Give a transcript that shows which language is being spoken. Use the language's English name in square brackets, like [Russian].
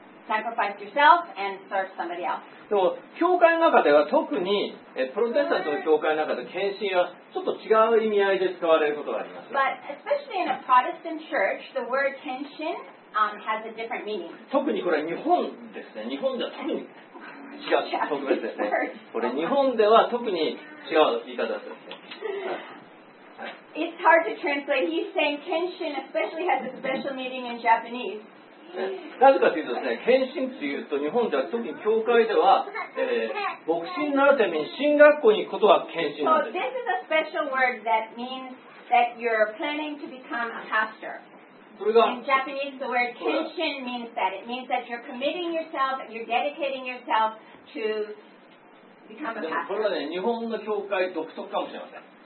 [English] Sacrifice yourself and serve somebody else. [Japanese] でも教会の中では特にプロテスタントの教会の中で献身はちょっと違う意味合いで使われることがあります。 [English] But especially in a Protestant church, the word 献身 has a different meaning. [Japanese] 特にこれ日本ですね。日本では特に違う、特別ですね。これ日本では特に違う言い方ですね。 [English] It's hard to translate. He's saying 献身 especially has a special meaning in Japanese. [Japanese] なぜかというとですね、献身というと日本では特に教会では、牧師になるために進学校に行くことが献身なんです。 [English] So this is a special word that means that you're planning to become a pastor. In Japanese, the word 献身 means that. It means that you're committing yourself, you're dedicating yourself to become a pastor. [Japanese] これはね、日本の教会独特かもしれません。